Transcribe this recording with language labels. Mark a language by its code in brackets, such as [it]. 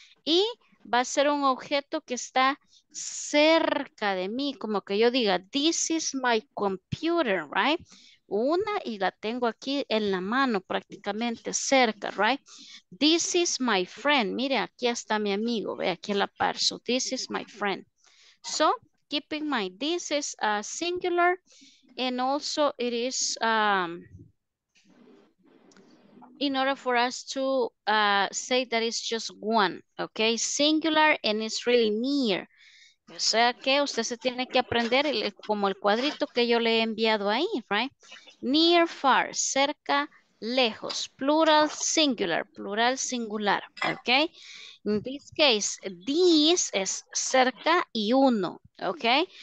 [es] Y va a ser un objeto que está cerca de mí, como que yo diga, [en] this is my computer, right? [es] Una y la tengo aquí en la mano prácticamente cerca, right? [en] This is my friend. [es] Mire, aquí está mi amigo, ve aquí en la par. [en] So, this is my friend. So, keep in mind, this is a singular and also it is in order for us to say that it's just one, okay? Singular and it's really near. [es] O sea que usted se tiene que aprender el, como el cuadrito que yo le he enviado ahí, right? [en] Near, far, [es] cerca, lejos, [en] plural, singular, plural, singular, ok? In this case, this [es] es cerca y uno, [en] ok?